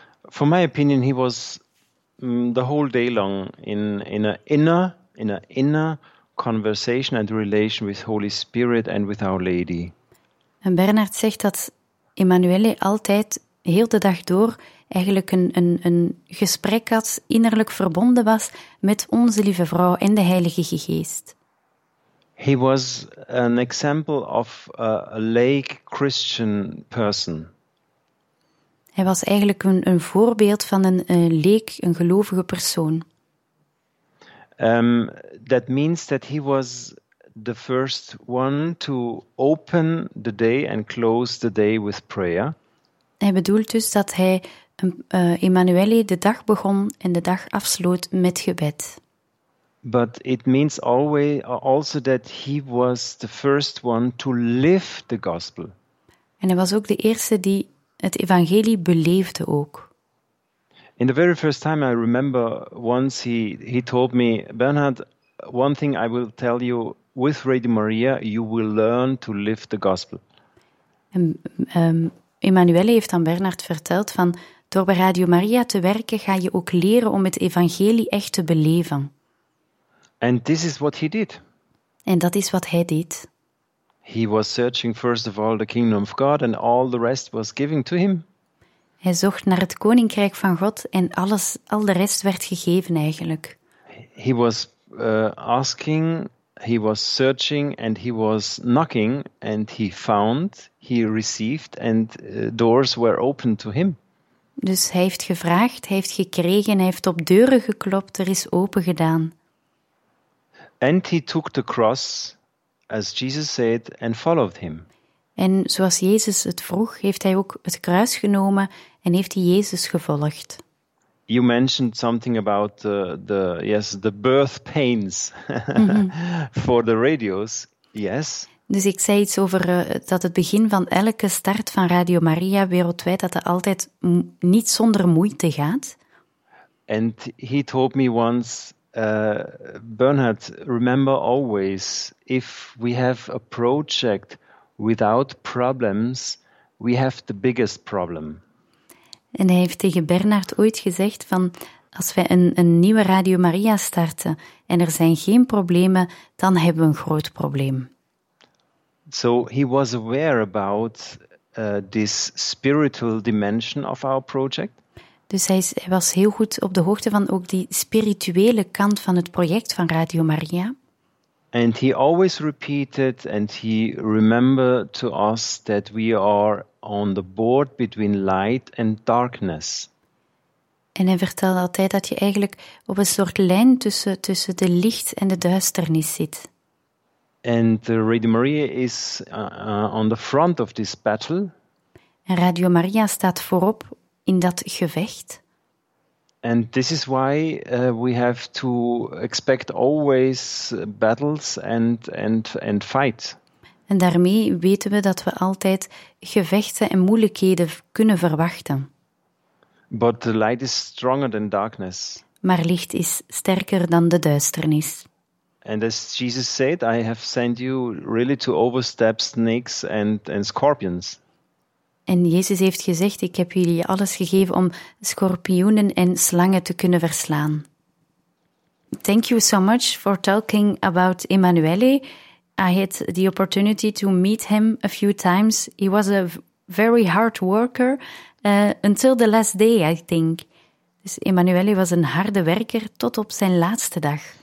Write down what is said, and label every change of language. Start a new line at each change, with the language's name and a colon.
English: For my opinion, he was the whole day long in an inner conversation and relation with Holy Spirit and with Our Lady.
Dutch: En Bernard zegt dat Emanuele altijd heel de dag door eigenlijk een gesprek had, innerlijk verbonden was met onze lieve vrouw en de Heilige Geest.
English: He was an example of a lay Christian person.
Dutch: Hij was eigenlijk een voorbeeld van een leek, een gelovige persoon.
English: That means that he was the first one to open the day and close the day with prayer.
Dutch: Hij bedoelt dus dat hij Emanuele de dag begon en de dag afsloot met gebed.
English: But it means always also that he was the first one to live the gospel.
Dutch: En hij was ook de eerste die het evangelie beleefde ook.
English: In the very first time I remember once he told me, Bernhard, one thing I will tell you, with Radio Maria you will learn to live the gospel.
Dutch: Emanuele heeft aan Bernard verteld van door bij Radio Maria te werken ga je ook leren om het evangelie echt te beleven.
English: And this is what he did.
Dutch: En dat is wat hij deed.
English: He was searching first of all the kingdom of God and all the rest was given to him.
Dutch: Hij zocht naar het koninkrijk van God en alles, al de rest werd gegeven eigenlijk.
English: He was asking, he was searching and he was knocking and he found, he received and doors were opened to him.
Dutch: Dus hij heeft gevraagd, hij heeft gekregen, hij heeft op deuren geklopt, er is open gedaan.
English: And he took the cross, as Jesus said, and followed him.
Dutch: En zoals Jezus het vroeg, heeft hij ook het kruis genomen en heeft hij Jezus gevolgd.
English: You mentioned something about the birth pains for the radios, yes.
Dutch: Dus ik zei iets over dat het begin van elke start van Radio Maria wereldwijd, dat er altijd niet zonder moeite gaat.
English: And he told me once, Bernhard, remember always, if we have a project without problems, we have the biggest problem.
Dutch: En hij heeft tegen Bernhard ooit gezegd van, als wij een nieuwe Radio Maria starten en er zijn geen problemen, dan hebben we een groot probleem.
English: So he was aware about this spiritual dimension of our project.
Dutch: Dus hij was heel goed op de hoogte van ook die spirituele kant van het project van Radio Maria.
English: And he always repeated and he remembered to us that we are on the board between light and darkness.
Dutch: En hij vertelde altijd dat je eigenlijk op een soort lijn tussen de licht en de duisternis zit.
English: And Radio Maria is on the front of this battle.
Dutch: En Radio Maria staat voorop in dat gevecht.
English: And this is why we have to expect always battles and fight.
Dutch: En daarmee weten we dat we altijd gevechten en moeilijkheden kunnen verwachten.
English: But the light is stronger than darkness.
Dutch: Maar licht is sterker dan de duisternis.
English: And as Jesus said, I have sent you really to overstep snakes and scorpions.
Dutch: En Jezus heeft gezegd, ik heb jullie alles gegeven om schorpioenen en slangen te kunnen verslaan.
English: Thank you so much for talking about Emanuele. I had the opportunity to meet him a few times. He was a very hard worker until the last day, I think.
Dutch: Dus Emanuele was een harde werker tot op zijn laatste dag.